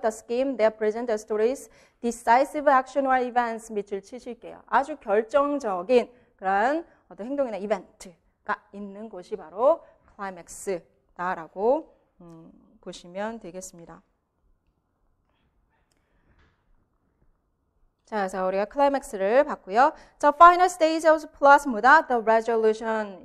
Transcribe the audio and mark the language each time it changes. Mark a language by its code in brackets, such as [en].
[en] The scheme that presents the story's decisive action or events [ko] 밑줄 치실게요. 아주 결정적인 그런 어떤 행동이나 이벤트가 있는 곳이 바로 클라이맥스다라고 보시면 되겠습니다. 자, 그래서 우리가 클라이맥스를 봤고요. [en] The final stage of the plasmid, the resolution.